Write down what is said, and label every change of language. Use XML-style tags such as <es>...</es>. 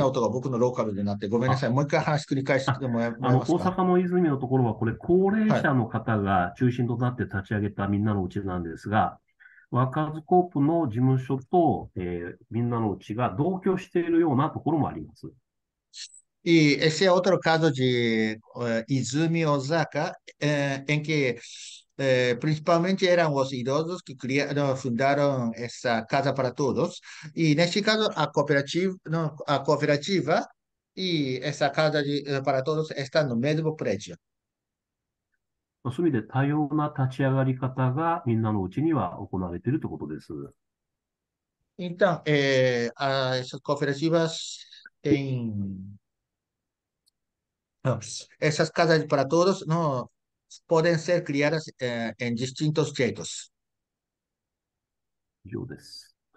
<ja>な音が僕のローカルで鳴って、ごめんなさい。もう一回話繰り返してもらえます大か？阪の泉のところは、これ、高齢者の方が中心となって立ち上げたみんなのうちなんですが、ワーカーズコープの事務所と、みんなのうちが同居しているようなところもあります。</ja> <pt>E esse é outro caso de Izumi Osaka, em que principalmente eram os idosos que fundaram essa casa para todos. E neste caso, a cooperativa e essa casa para todos estão no mesmo prédio.</pt> <ja>そういう意味で多様な立ち上がり方がみんなのうちには行われているということです。</ja> <pt>Então, essas cooperativas têm. Essas casas para todos não podem ser criadas em distintos jeitos. Jo です。</pt>